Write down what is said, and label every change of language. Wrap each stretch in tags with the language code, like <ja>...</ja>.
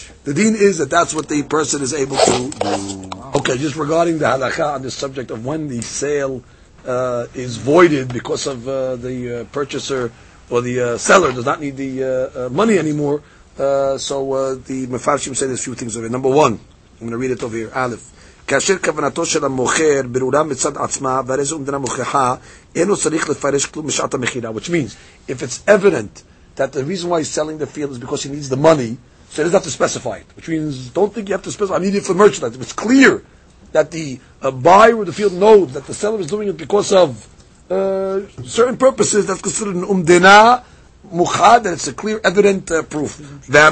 <en>The deen is that that's what the person is able to do. Okay, just regarding the halakha on this subject of when the sale is voided because of the purchaser or the seller does not need the money anymore. So the mefarshim said a few things over here. Number one, I'm going to read it over here.</en> <he>Aleph. כאשר כוונתו של המוכר ברורה מצד עצמה, והרי זו מדינה מוכחה, אינו צריך לפרש כלום משעת המכירה.</he> <en>Which means, if it's evident that the reason why he's selling the field is because he needs the money, so he doesn't have to specify it, which means don't think you have to specify. I need it for merchandise. If it's clear that the buyer of the field knows that the seller is doing it because of certain purposes, that's considered an umdina muhad, and it's a clear, evident proof.</en>